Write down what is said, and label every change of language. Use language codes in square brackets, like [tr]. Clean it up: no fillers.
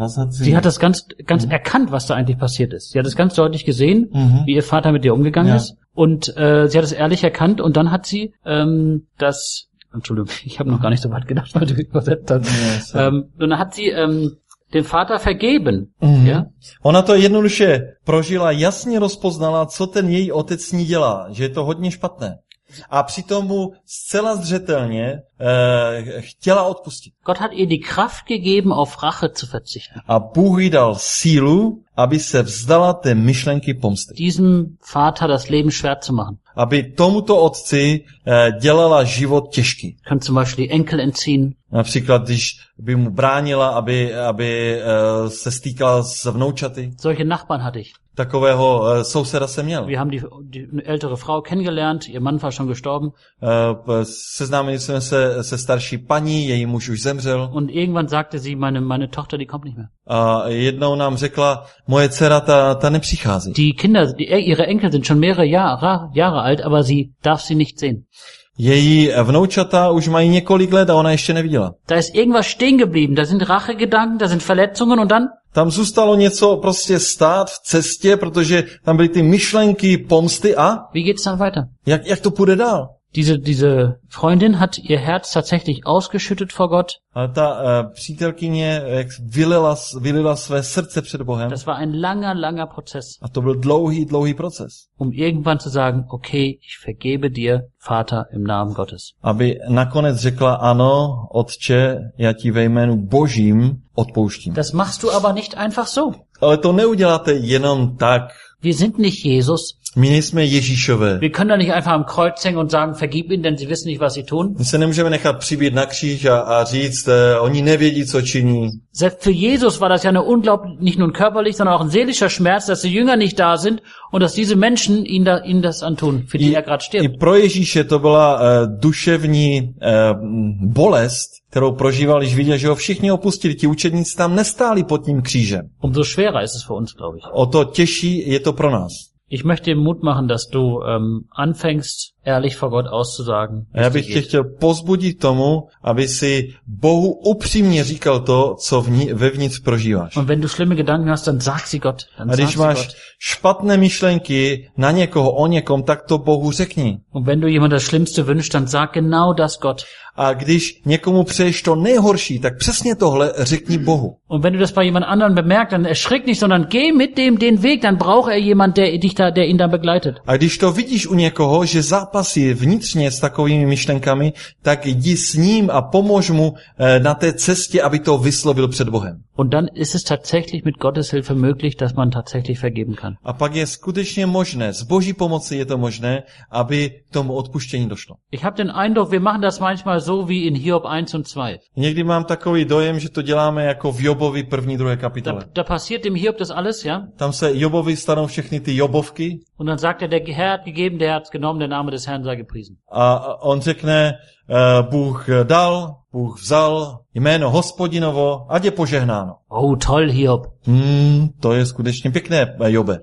[de] Sie hat das ganz erkannt, was da eigentlich passiert ist. Sie hat es ganz deutlich gesehen, wie ihr Vater mit ihr umgegangen ist. Und sie hat es ehrlich erkannt und dann hat sie das. Entschuldigung, ich habe noch gar nicht so weit gedacht, weil du übersetzt hast. Und dann hat sie den Vater vergeben. Ja? [cs] Ona to jednoduše prožila, jasně rozpoznala, co ten její otec s ní dělá, že je to hodně špatné. A přitom mu zcela zřetelně chtěla odpustit. [de] Gott hat ihr die Kraft gegeben, auf Rache zu verzichten. [cs] A Bůh jí dal sílu, aby se vzdala té myšlenky pomsty. [de] Diesem Vater das Leben schwer zu machen. [cs] Aby tomuto otci dělala život těžký. [de] Kann zum Beispiel die Enkel entziehen. [cs] Například, když by mu bránila, aby se stýkala s vnoučaty. [de] Solche Nachbarn hatte ich. [cs] Takového souseda jsem měl. [de] Wir haben die ältere Frau kennengelernt, ihr Mann war schon gestorben. [cs] Seznámili jsme se starší paní, její muž už zemřel. [de] Und irgendwann sagte sie, meine Tochter, die kommt nicht mehr. [cs] A jednou nám řekla, moje dcera ta nepřichází. [de] Die Kinder, ihre Enkel sind schon mehrere Jahre alt, aber sie darf sie nicht sehen. [cs] Její vnoučata už mají několik let a ona ještě neviděla. [de] Da ist irgendwas stehen geblieben, da sind Rachegedanken, da sind Verletzungen und dann? [cs] Tam zůstalo něco prostě stát v cestě, protože tam byly ty myšlenky, pomsty a? [de] Wie geht's dann weiter? [cs] Jak to půjde dál? [de] Diese Freundin hat ihr Herz tatsächlich ausgeschüttet vor Gott. [cs] A ta přítelkyně vylila své srdce před Bohem. [de] Das war ein langer Prozess. [cs] A to byl dlouhý proces. [de] Um irgendwann zu sagen, okay, ich vergebe dir, Vater, im Namen Gottes. [cs] Aby nakonec řekla ano, Otče, já ti ve jménu Božím odpouštím. [de] Das machst du aber nicht einfach so. [cs] Ale to neuděláte jenom tak. [de] Wir sind nicht Jesus. [cs] My nejsme Ježíšové. [de] Wir können doch nicht einfach am Kreuz hängen und sagen, vergib ihnen, denn sie wissen nicht, was sie tun. [cs] My se nemůžeme nechat přibít na kříž a říct, oni nevědí, co činí. [de] Selbst für Jesus war das ja eine unglaublich, nicht nur ein körperlich, sondern auch ein seelischer Schmerz, dass die Jünger nicht da sind und dass diese Menschen ihnen das antun, für die er gerade stirbt. [cs] I pro Ježíše to byla duševní bolest, kterou prožíval, když viděl, že ho všichni opustili. Ti učedníci tam nestáli pod tím křížem. [de] Umso schwerer ist es für uns, glaube ich. [cs] O to těžší je to pro nás. [de] Ich möchte dir Mut machen, dass du anfängst, ehrlich vor Gott auszusagen. [cs] Já bych tě chtěl pozbudit tomu, aby si Bohu upřímně říkal to, co vevnitř prožíváš. [de] Und wenn du schlimme Gedanken hast, dann sag sie Gott. [cs] A když máš špatné myšlenky na někoho, o někom, tak to Bohu řekni. [de] Und wenn du jemand das Schlimmste wünschst, dann sag genau das Gott. [cs] A když někomu přeješ to nejhorší, tak přesně tohle řekni Bohu. [de] Und wenn du das bei jemand anderem bemerkst, dann erschrick nicht, sondern geh mit dem den Weg, dann braucht er jemand, der ihn dann begleitet. [cs] A když to vidíš u někoho, že zápasí vnitřně s takovými myšlenkami, tak jdi s ním a pomož mu na té cestě, aby to vyslovil před Bohem. [de] Und dann ist es tatsächlich mit Gottes Hilfe möglich, dass man tatsächlich vergeben kann. [cs] A pak je skutečně možné, s Boží pomocí je to možné, aby tomu odpuštění došlo. [de] Ich habe den Eindruck, wir machen das manchmal so wie in Hiob 1 und 2. [cs] Někdy mám takový dojem, že to děláme jako v Jobovi první, druhé kapitole. [de] Da passiert dem Hiob das alles, ja? [cs] Tam se Jobovi stanou všechny ty Jobovky. [de] Und dann sagt er, der Herr hat gegeben, der hat genommen, der Name des Herrn sei gepriesen. [cs] A on řekne, Bůh dal, Bůh vzal, jméno Hospodinovo, ať je požehnáno. [de] Oh, toll, Hiob. [cs] To je skutečně pěkné, Jobe.